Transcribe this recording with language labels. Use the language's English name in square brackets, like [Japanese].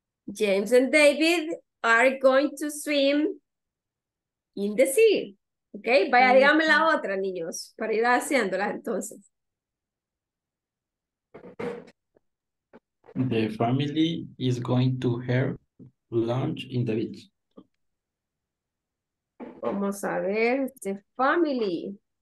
[English] James and David are going to swim in the sea. [Spanish] Ok, vaya, dígame la otra, niños, para ir haciéndolas entonces. [English] The family is going to have lunch in the beach. [Spanish] Vamos a ver, [English] the family.